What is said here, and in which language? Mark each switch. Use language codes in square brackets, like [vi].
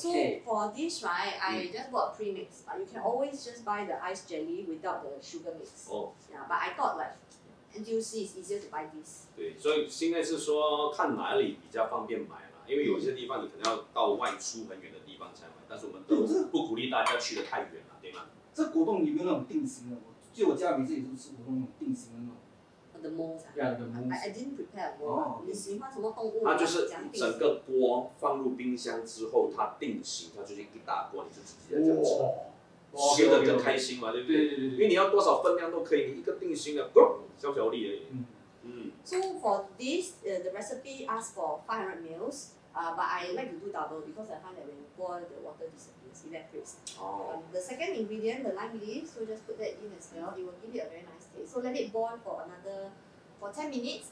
[en] So for this, right, I just bought premix, but you can always just buy the ice jelly without the sugar mix. Yeah, but I thought like NTUC is easier to buy this. [zh] 对，所以现在是说看哪里比较方便买嘛，因为有些地方你可能要到外出很远的地方才买，但是我们都不鼓励大家去的太远了，对吗？这果冻有没有那种定型的？就我家里自己都吃果冻那种定型的那种。 [en] The molds. Yeah, the molds. I didn't prepare. [zh] 你喜欢什么动物？它就是整个锅放入冰箱之后，它定型，它就是一大锅，你就直接这样吃，吃的更开心嘛，对不对？因为你要多少分量都可以，你一个定型的，咣，小小粒而已。 [en] So for this, the recipe asks for 500 mils. But I like to do double because I find that when you boil, the water disappears, evaporates. The second ingredient, the lime leaf, so just put that in as well. It will give it a very nice taste. So let it boil for 10 minutes.